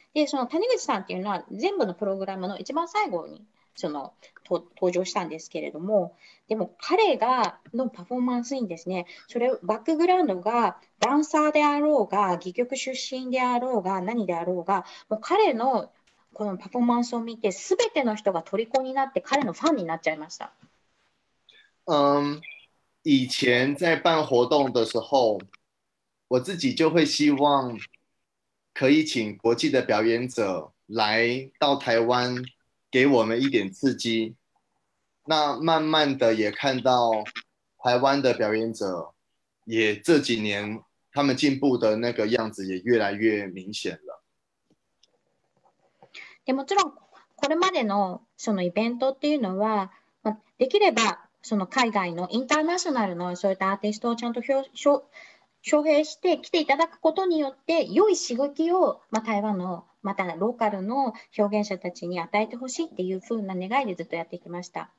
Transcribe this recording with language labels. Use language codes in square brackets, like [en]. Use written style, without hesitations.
[ja] で、その谷口さんっていうのは全部のプログラムの一番最後にその登場したんですけれども、でも彼がのパフォーマンスにですね、それバックグラウンドがダンサーであろうが戯曲出身であろうが何であろうが、もう彼のこのパフォーマンスを見て全ての人が虜になって彼のファンになっちゃいました。 [zh] 以前在办活动的时候，我自己就会希望可以请国际的表演者来到台湾，给我们一点刺激。那慢慢的也看到台湾的表演者，也这几年他们进步的那个样子也越来越明显了。 [ja] でもちろんこれまでのそのイベントっていうのは、できれば。その海外のインターナショナルのそういったアーティストをちゃんと招聘して来ていただくことによって良い刺激を、まあ、台湾のまたローカルの表現者たちに与えてほしいっていう風な願いでずっとやってきました。